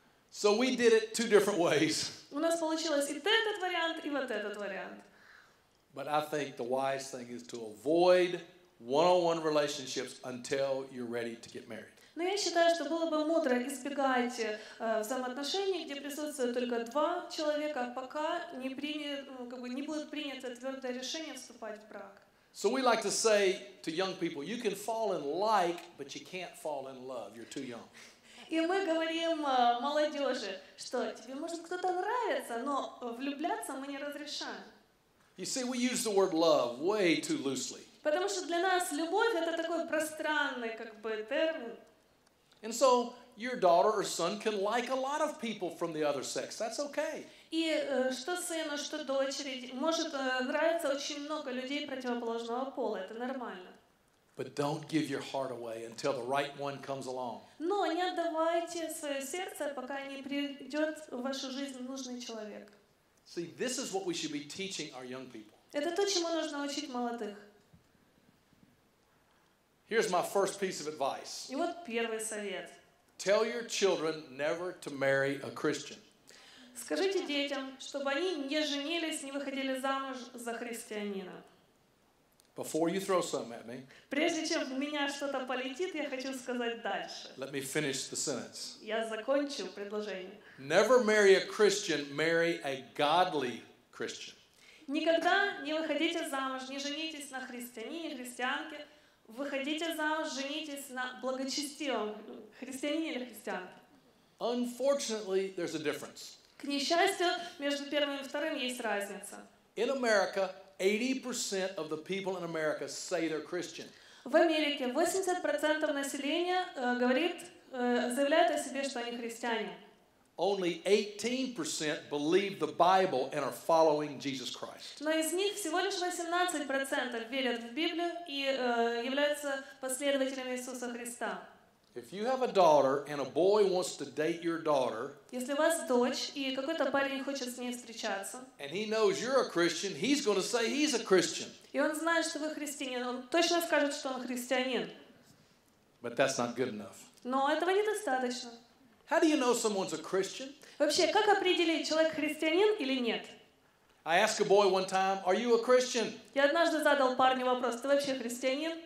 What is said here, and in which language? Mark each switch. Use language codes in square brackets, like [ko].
[en] So we did it two different ways. [ru] У нас получилось и этот вариант, и вот этот вариант. [en] But I think the wise thing is to avoid one-on-one relationships until you're ready to get married. [ru] Но я считаю, что было бы мудро избегать взаимоотношений, где присутствуют только два человека, пока не принят, ну, как бы не будет принято твердое решение вступать в брак. [en] So we like to say to young people, you can fall in like, but you can't fall in love. You're too young. [ru] И мы говорим молодежи, что тебе может кто-то нравиться, но влюбляться мы не разрешаем. [en] You see, we use the word love way too loosely. [ru] Потому что для нас любовь это такой пространный как бы термин. [en] And so your daughter or son can like a lot of people from the other sex. That's okay. [ru] И что сыну, что дочери может нравиться очень много людей противоположного пола. Это нормально. [en] But don't give your heart away until the right one comes along. [ru] Но не отдавайте свое сердце, пока не придет в вашу жизнь нужный человек. [en] See, this is what we should be teaching our young people. [ru] Это то, чему нужно учить молодых. [en] Here's my first piece of advice. [ru] И вот первый совет. [en] Tell your children never to marry a Christian. [ru] Скажите детям, чтобы они не женились, не выходили замуж за христианина. [en] Before you throw something at me. [ru] Прежде чем в меня что-то полетит, я хочу сказать дальше. [en] Let me finish the sentence. [ru] Я закончу предложение. [en] Never marry a Christian, marry a godly Christian. [ru] Никогда не выходите замуж, не женитесь на христианине, христианке. Выходите замуж, женитесь на благочестивом христианине или христианке. [en] Unfortunately, there's a difference. [ru] К несчастью, между первым и вторым есть разница. [en] In America, 80% of the people in America say they're Christian. [ru] В Америке 80% населения говорит, заявляет о себе, что они христиане. [en] Only 18% believe the Bible and are following Jesus Christ. [ru] Но из них всего лишь 18% верят в Библию и являются последователями Иисуса Христа. [en] If you have a daughter and a boy wants to date your daughter, [ru] если у вас дочь и какой-то парень хочет с ней встречаться, [en] and he knows you're a Christian, he's going to say he's a Christian. [ru] И он знает, что вы христианин, он точно скажет, что он христианин. [en] But that's not good enough. [ru] Но этого недостаточно. [en] How do you know someone's a Christian? [ru] Вообще, как определить, человек христианин или нет? [en] I asked a boy one time, "Are you a Christian?" [ru] Я однажды задал парню вопрос: "Ты вообще христианин?"